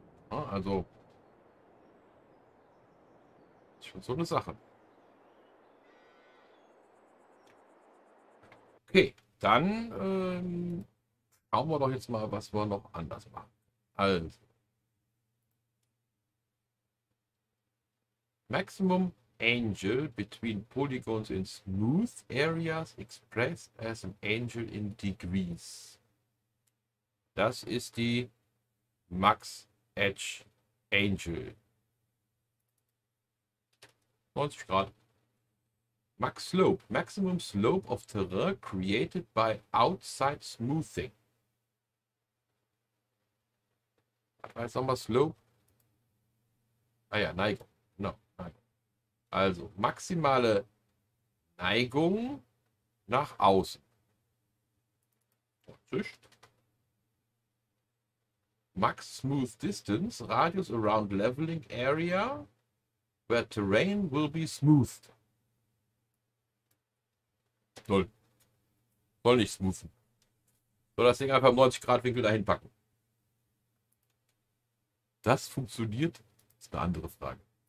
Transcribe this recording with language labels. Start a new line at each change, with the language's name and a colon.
German: Also, ist schon so eine Sache. Okay, dann schauen wir doch jetzt mal, was wir noch anders machen.
English: Also, Maximum Angle between Polygons in Smooth Areas expressed as an Angle in Degrees.
German: Das ist die Max Edge Angel. 90 Grad. Max Slope.
English: Maximum Slope of Terrain created by outside smoothing.
German: Was nochmal Slope? Ah ja, Neigung. No, Neigung. Also maximale Neigung nach außen. Tisch.
English: Max Smooth Distance, Radius around Leveling Area, where Terrain will be smoothed.
German: Null. Soll nicht smoothen. soll das Ding einfach im 90 Grad Winkel dahin packen. Das funktioniert, ist eine andere Frage.